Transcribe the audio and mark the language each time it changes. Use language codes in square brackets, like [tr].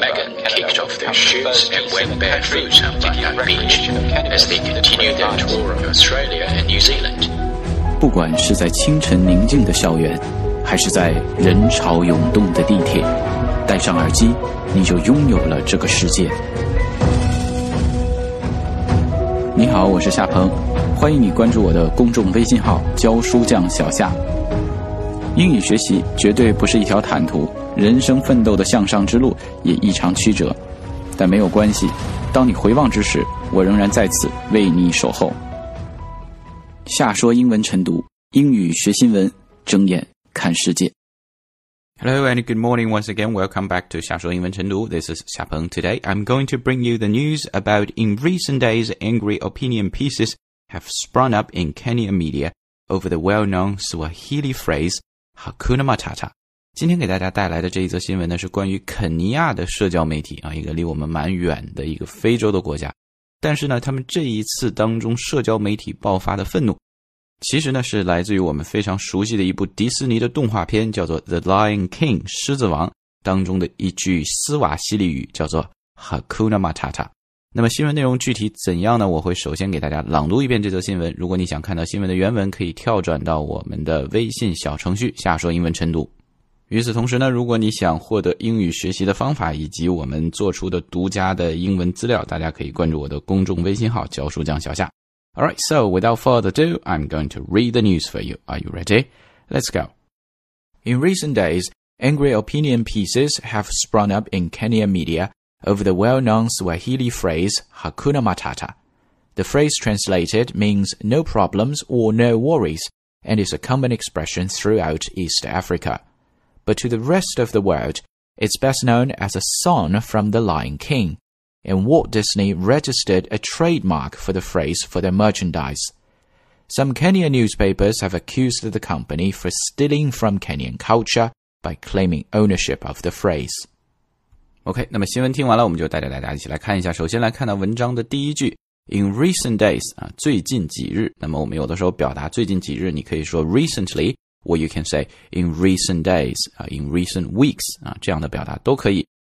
[en] Megan kicked off their shoots and went barefoot on Bondi Beach as they continued their tour of Australia and New Zealand. [zh] 不管是在清晨宁静的校园，还是在人潮涌动的地铁，戴上耳机，你就拥有了这个世界。你好，我是夏鹏，欢迎你关注我的公众微信号教书匠小夏。英语学习绝对不是一条坦途，人生奋斗的向上之路也异常曲折，但没有关系，当你回望之时，我仍然在此为你守候。夏说英文晨读，英语学新闻，睁眼看世界。 [en] Hello and good morning once again. Welcome back to 夏说英文晨读.This is 夏鹏. Today, I'm going to bring you the news about in recent days, angry opinion pieces have sprung up in Kenyan media over the well-known Swahili phrase Hakuna Matata. [zh] 今天给大家带来的这一则新闻呢，是关于肯尼亚的社交媒体啊，一个离我们蛮远的一个非洲的国家。但是呢，他们这一次当中社交媒体爆发的愤怒，其实呢是来自于我们非常熟悉的一部迪士尼的动画片，叫做 The Lion King 狮子王当中的一句斯瓦希里语，叫做 Hakuna Matata。那么新闻内容具体怎样呢，我会首先给大家朗读一遍这则新闻，如果你想看到新闻的原文，可以跳转到我们的微信小程序下说英文晨读。与此同时呢，如果你想获得英语学习的方法以及我们做出的独家的英文资料，大家可以关注我的公众微信号教书匠小夏。 [en] Alright, so without further ado, I'm going to read the news for you. Are you ready? Let's go. In recent days, angry opinion pieces have sprung up in Kenyan media over the well-known Swahili phrase Hakuna Matata. The phrase translated means no problems or no worries and is a common expression throughout East Africa. But to the rest of the world, it's best known as a song from The Lion King. And Walt Disney registered a trademark for the phrase for their merchandise. Some Kenyan newspapers have accused the company for stealing from Kenyan culture by claiming ownership of the phrase. [zh] OK, 那么新闻听完了，我们就带着大家一起来看一下。首先来看到文章的第一句 , [en] In recent days, [zh] 啊，最近几日。那么我们有的时候表达最近几日，你可以说 [en] recently, or you can say in recent days, [zh] 啊 , [en] in recent weeks, [zh] 啊，这样的表达都可以。